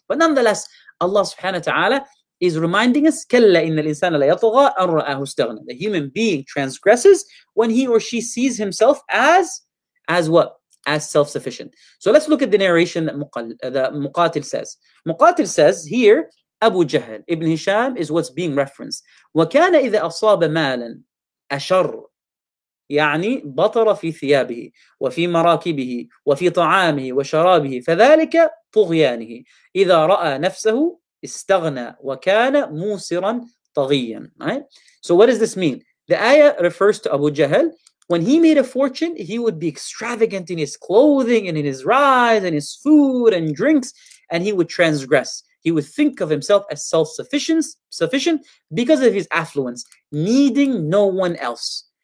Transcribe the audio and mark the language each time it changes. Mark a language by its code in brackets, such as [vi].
[en] But nonetheless, Allah subhanahu wa ta'ala is reminding us, [ar] كَلَّا إِنَّ الْإِنسَانَ لَيَطْغَى أَنْ رَآهُ اسْتَغْنَى. [en] The human being transgresses when he or she sees himself as what? As self-sufficient. So let's look at the narration that Muqatil says. Muqatil says here, Abu Jahl, Ibn Hisham is what's being referenced. [ar] وَكَانَ إِذَا أَصَابَ مَالًا أَشَرُ يعني بطر في ثيابه وفي مراكبه وفي طعامه وشرابه فذلك طغيانه إذا رأى نفسه استغنى وكان موسرا طغيا. [en] Right? So what does this mean? The ayah refers to Abu Jahl. When he made a fortune, he would be extravagant in his clothing and in his rides and his food and drinks, and he would transgress. He would think of himself as self-sufficient because of his affluence, needing no one else.